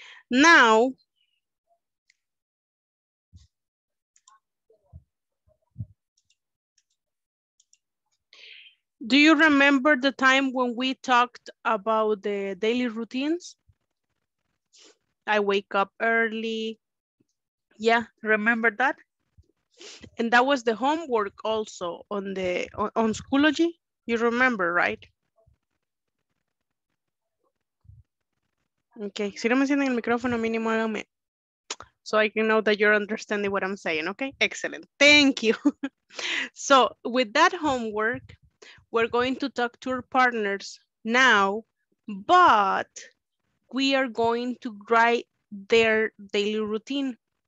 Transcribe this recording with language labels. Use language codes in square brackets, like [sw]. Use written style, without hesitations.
[en] Now, do you remember the time when we talked about the daily routines? I wake up early. Yeah, remember that? And that was the homework also on the on Schoology. You remember, right? [es] Okay, si no me sienten el micrófono mínimo, háganme. [en] So I can know that you're understanding what I'm saying, okay? Excellent, thank you. So with that homework, we're going to talk to our partners now, but we are going to write their daily routine.